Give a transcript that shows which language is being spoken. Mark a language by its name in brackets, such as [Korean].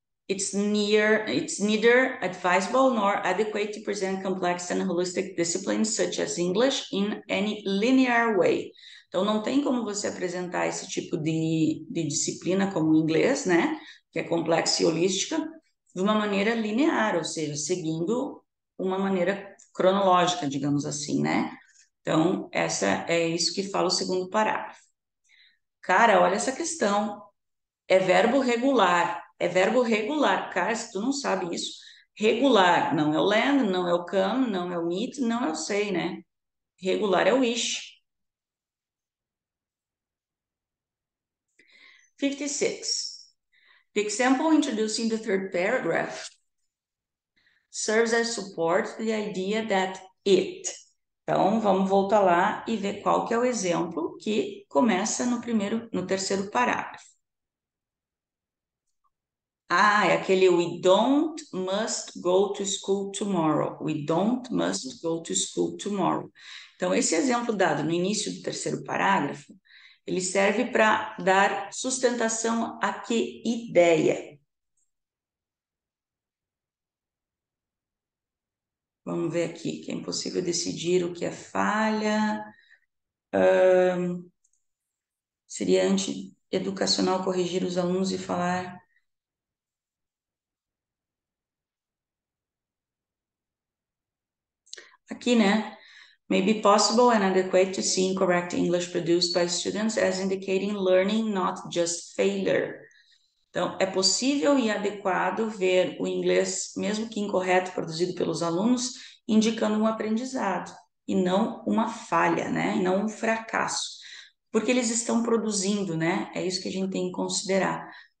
[English] It's neither advisable nor adequate to present complex and holistic disciplines such as English in any linear way. [Portuguese] Então, não tem como você apresentar esse tipo de disciplina como inglês, né? Que é complexa e holística, de uma maneira linear, ou seja, seguindo uma maneira cronológica, digamos assim, né? Então, essa é isso que fala o segundo parágrafo. Cara, olha essa questão. É verbo regular. É verbo regular, cara, se tu não sabe isso, regular não é o land, não é o come, não é o meet, não é o say, né? Regular é o wish. 56. [English] The example introducing the third paragraph serves as support to the idea that it. [Portuguese] Então, vamos voltar lá e ver qual que é o exemplo que começa no primeiro, no terceiro parágrafo. Ah, é aquele [English] we don't must go to school tomorrow. We don't must go to school tomorrow. [Portuguese] Então, esse exemplo dado no início do terceiro parágrafo, ele serve para dar sustentação a que ideia? Vamos ver aqui, que é impossível decidir o que é falha. Seria anti-educacional corrigir os alunos e falar. Aqui, né? [English] May be possible and adequate to see incorrect English produced by students as indicating learning, not just failure. [Portuguese] Então, é possível e adequado ver o inglês, mesmo que incorreto, produzido pelos alunos, indicando um aprendizado e não uma falha, né? E não um fracasso. Porque eles estão produzindo, né? É isso que a gente tem que considerar.